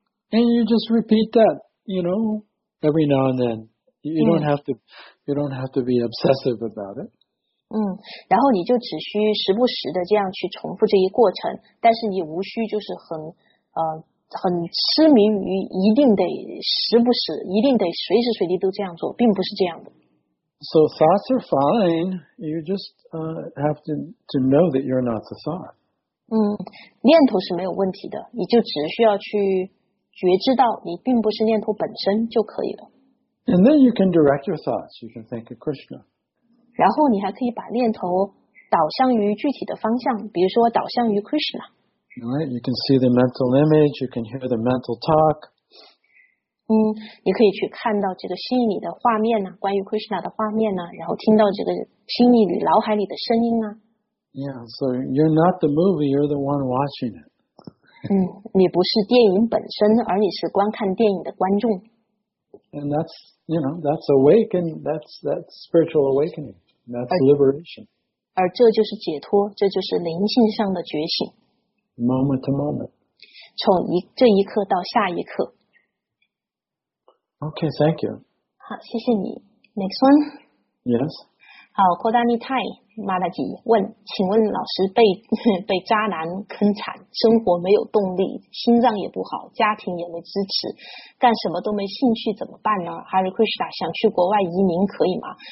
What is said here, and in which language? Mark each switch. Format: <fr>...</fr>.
<en>And you just repeat that, you know, every now and then. You don't have to be obsessive about it.</en> <zh>然后你就只需时不时的这样去重复这一过程，但是你无需就是很痴迷于一定得时不时，一定得随时随地都这样做，并不是这样的。</zh> <en>So thoughts are fine. You just have to know that you're not the thought.</en> <zh>念头是没有问题的，你就只需要去觉知到你并不是念头本身就可以了。</zh> <en>And then you can direct your thoughts, you can think of Krishna.</en> <zh>然后你还可以把念头导向于具体的方向，比如说导向于 Krishna.</zh> <en>Right, you can see the mental image, you can hear the mental talk.</en> <zh>你可以去看到这个心里的画面啊，关于 Krishna 的画面啊，然后听到这个心里脑海里的声音啊。</zh> <en>Yeah, so you're not the movie, you're the one watching it.</en> <zh>你不是电影本身，而你是观看电影的观众。</zh> <en>And that's, you know, that's awakening, that's spiritual awakening, that's liberation.</en> <zh>而这就是解脱，这就是灵性上的觉醒。</zh> <en>Moment to moment.</en> <zh>从这一刻到下一刻。</zh> <en>Okay, thank you.</en> <zh>好，谢谢你。</zh> <en>Next one? Yes.</en> <zh>好 ，Kodani Tai Madaji 问，请问老师被渣男坑惨，生活没有动力，心脏也不好，家庭也没支持，干什么都没兴趣，怎么办呢 ？Hare Krishna 想去国外移民可以吗？</zh>